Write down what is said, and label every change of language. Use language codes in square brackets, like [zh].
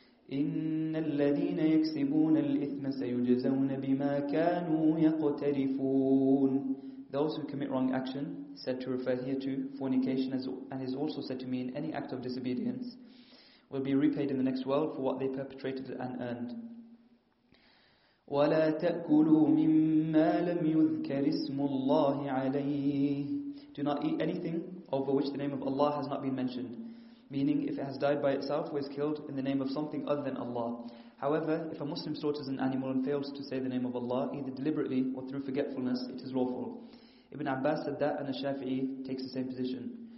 [ar] إِنَّ الَّذِينَ يَكْسِبُونَ الْإِثْمَ سَيُجْزَوْنَ بِمَا كَانُوا يَقْتَرِفُونَ. [en] Those who commit wrong action, said to refer here to fornication and is also said to mean any act of disobedience, will be repaid in the next world for what they perpetrated and earned. [ar] ولا تأكلوا مما لم يذكر اسم الله عليه. [en] Do not eat anything over which the name of Allah has not been mentioned, meaning if it has died by itself or is killed in the name of something other than Allah. However, if a Muslim slaughters an animal and fails to say the name of Allah, either deliberately or through forgetfulness, it is lawful. Ibn Abbas said that, and the Shafi'i takes the same position.